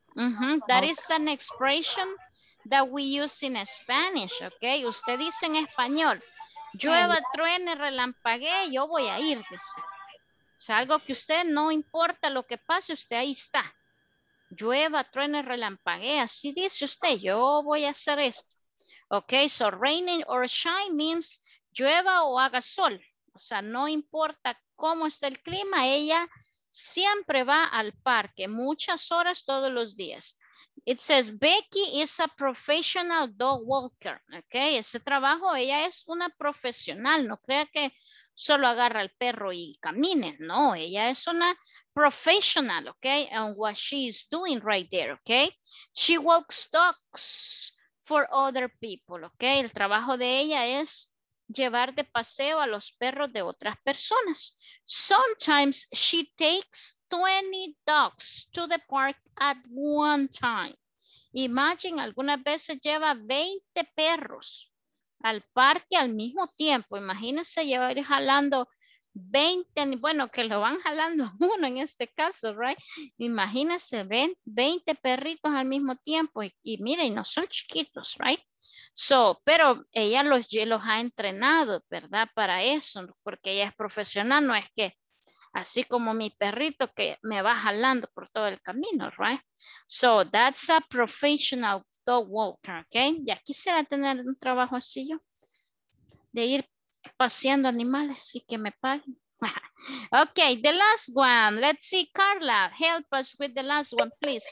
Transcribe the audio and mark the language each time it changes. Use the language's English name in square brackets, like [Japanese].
[English] Uh-huh, that is an expression that we use in Spanish, okay? [Spanish] Usted dice en español, llueva, truene, relampague, yo voy a ir, dice. O sea, algo que usted, no importa lo que pase, usted ahí está. Llueva, truene, relampague, así dice usted, yo voy a hacer esto. [English] Okay, so raining or shine means [Spanish] llueva o haga sol. O sea, no importa cómo está el clima, ella siempre va al parque, muchas horas todos los días. [English] It says Becky is a professional dog walker. [Spanish] Okay, ese trabajo, ella es una profesional, no crea que solo agarra el perro y camine, no, ella es una professional, okay, [English] and what she is doing right there, okay, she walks dogs for other people, okay, [Spanish] el trabajo de ella es llevar de paseo a los perros de otras personas. [English] Sometimes she takes 20 dogs to the park at one time. [Spanish] Imagine, algunas veces lleva 20 perros al parque al mismo tiempo. Imagínense llevar jalando 20, bueno, que lo van jalando uno en este caso, right? Imagínense 20 perritos al mismo tiempo y miren, no son chiquitos, right? So, pero ella los ha entrenado, ¿verdad? Para eso, porque ella es profesional, no es que así como mi perrito que me va jalando por todo el camino, right? [English] So, that's a professional dog walker, okay? [Spanish] Ya quisiera tener un trabajo así yo, de ir paseando animales y que me paguen. [English] Okay, the last one. Let's see, Carla, help us with the last one, please.